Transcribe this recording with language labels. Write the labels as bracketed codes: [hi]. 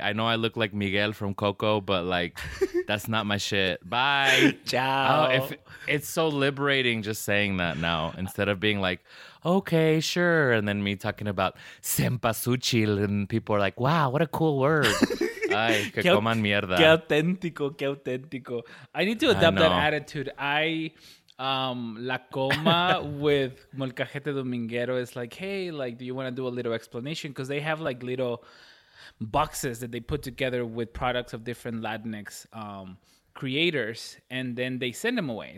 [en] I know I look like Miguel from Coco, but like, that's not my shit. Bye. Ciao." Oh, it's so liberating just saying that now, instead of being like, "Okay, sure." And then me talking about cempasúchil, and people are like, "Wow, what a cool word." [es] Ay, que coman mierda. Que auténtico, que auténtico. [en] I need to adopt that attitude. [es] La coma [en] with Molcajete Dominguero is like, "Hey, like, do you want to do a little explanation?" Because they have like little boxes that they put together with products of different Latinx creators, and then they send them away.